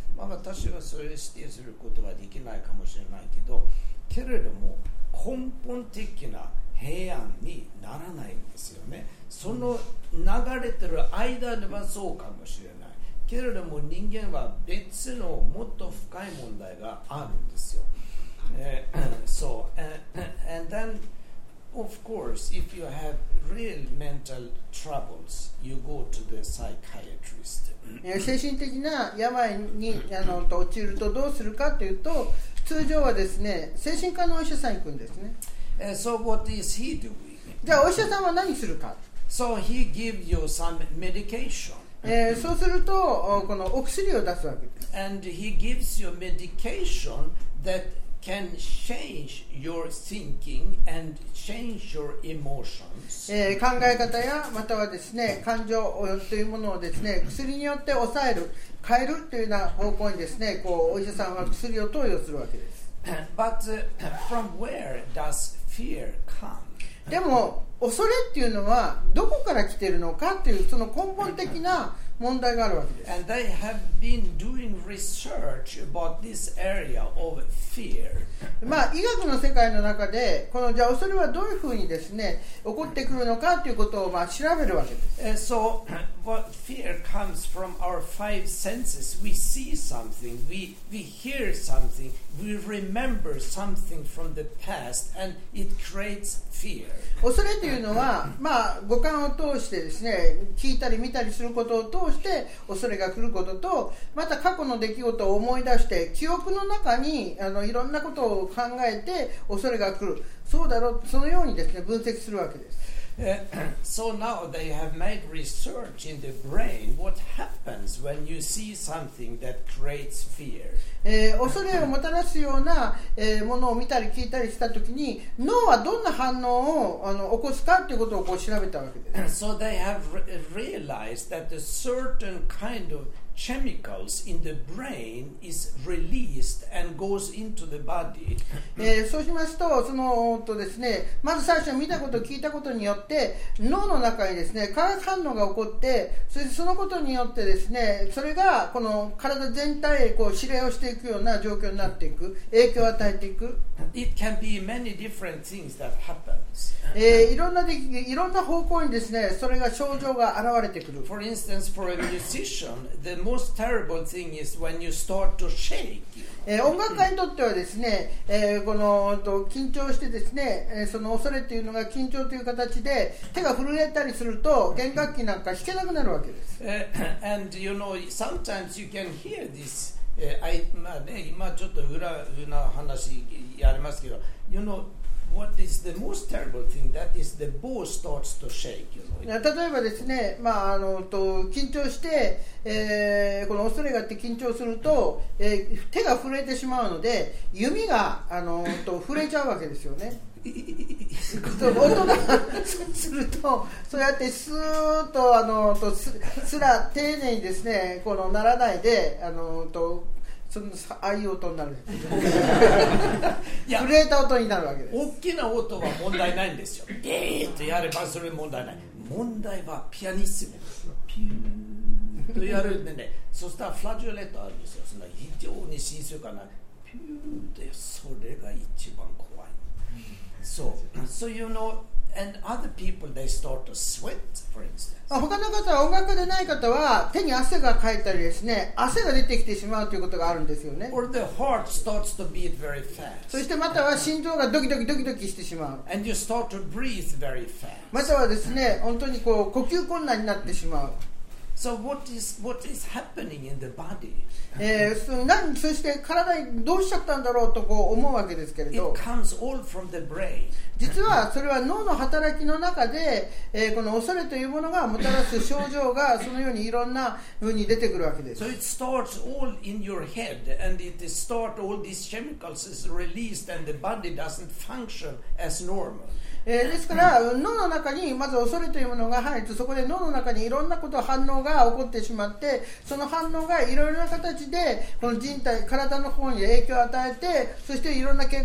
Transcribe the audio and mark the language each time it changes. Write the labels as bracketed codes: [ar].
[ja] まあ、私はそれを指定することはできないかもしれないけど、けれども根本的な平安にならないんですよね。その流れてる間ではそうかもしれないけれども、人間は別のもっと深い問題があるんですよ。 [en] So, and then, of course, if you have real mental troubles, you go to the psychiatrist. [ja] 精神的な病に陥るとどうするかというと、通常はですね、精神科のお医者さん行くんですね。 [en] So what is he doing? [ja] じゃあお医者さんは何するか。 [en] So he gives you some medication. [ja] そうすると、このお薬を出すわけです。 [en] And he gives you medication thatcan change your thinking and change your emotions. [ja] 考え方やまたはですね、感情というものをですね、薬によって抑える、変えるというような方向にですね、こうお医者さんは薬を投与するわけです。 [en] But from where does fear come? [ja] でも恐れっていうのはどこから来ているのかというその根本的な問題があるわけです。 [en] And they have been doing research about this area of fear. [ja] まあ医学の世界の中で、このじゃあ恐れはどういうふうにですね起こってくるのかということをまあ調べるわけです。 [en] So what fear comes from our five senses. We see something, we hear something, we remember something from the past, and it creates fear. [ja] 恐れというのは、まあ、五感を通してですね、聞いたり見たりすることを通して恐れが来ることと、また過去の出来事を思い出して記憶の中にいろんなことを考えて恐れが来る、そうだろう、そのようにですね分析するわけです。 [en] So now they have made research in the brain. What happens when you see something that creates fear? [ja] 恐れをもたらすような、ものを見たり聞いたりしたときに、脳はどんな反応を起こすかということをこう調べたわけです。 [en] So they have realized that a certain kind of chemicals in the brain is released and goes into the body. [ja] そうしますと、そのとですね、まず最初見たこと聞いたことによって、脳の中にですね、化学反応が起こって、そしてそのことによってですね、それがこの体全体へこう指令をしていくような状況になっていく、影響を与えていく。 [en] It can be many different things that happens. [ja] いろんな方向にですね、それが症状が現れてくる。 [en] For instance, for a musician, the most terrible thing is when you start to shake. [ja] 音楽家にとってはですね、この緊張してですね、その恐れというのが緊張という形で手が震えたりすると弦楽器なんか弾けなくなるわけです。 [en] And you know, sometimes you can hear this. [ja] まあね、今ちょっと裏な話やりますけど、 [en] You know, what is the most terrible thing? That is the bow starts to shake, you know. [ja] 例えばですね、まあ、緊張して、この恐れがあって緊張すると、手が震えてしまうので、弓が震えちゃうわけですよね。音がするとそうやってスーッ と, すら丁寧にですね、この鳴らないで、その、ああいう音になる。震えた音になるわけです。大きな音は問題ないんですよ。ギーッとやればそれ問題ない。問題はピアニッシモです。ピューッとやるんでね、そしたらフラジュレットあるんですよ。そんな非常に深層かな。ピューッとそれが一番怖い。 [en] So, so you know, and other people they start to sweat, for instance. [ja] 他の方は音楽でない方は手に汗がかいたりですね、汗が出てきてしまうということがあるんですよね。 [en] Or the heart starts to beat very fast. [ja] そしてまたは心臓がドキドキドキドキしてしまう。 [en] And you start to breathe very fast. [ja] またはですね、本当にこう呼吸困難になってしまう。 [en] So what is happening in the body? [ja] そして体にどうしちゃったんだろうとこう思うわけですけれど、 [en] It comes all from the brain. [ja] 実はそれは脳の働きの中で、この恐れというものがもたらす症状がそのようにいろんな風に出てくるわけです。 [en] So it starts all in your head, and it starts all these chemicals is released, and the body doesn't function as normal. [ja] ですから脳の中にまず恐れというものが入ると、そこで脳の中にいろんなこと反応が起こってしまって、その反応がいろいろな形でこの人体体の方に影響を与えて、そしていろんな結果